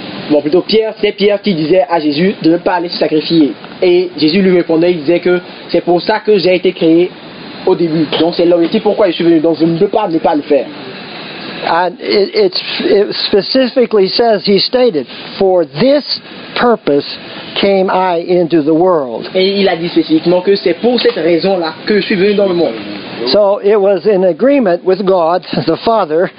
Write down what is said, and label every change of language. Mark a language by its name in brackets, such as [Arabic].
[French] Bon, plutôt Pierre, c'est Pierre qui disait à Jésus de ne pas aller se sacrifier. Et Jésus lui répondait, il disait que c'est pour ça que j'ai été créé au début. Donc c'est l'objectif pourquoi je suis venu. Donc je ne peux pas ne pas le faire. [English] And it specifically says, he stated, for this purpose came I into the world. [French] Et il a dit spécifiquement que c'est pour cette raison-là que je suis venu dans le monde. [English] So it was in agreement with God, the Father,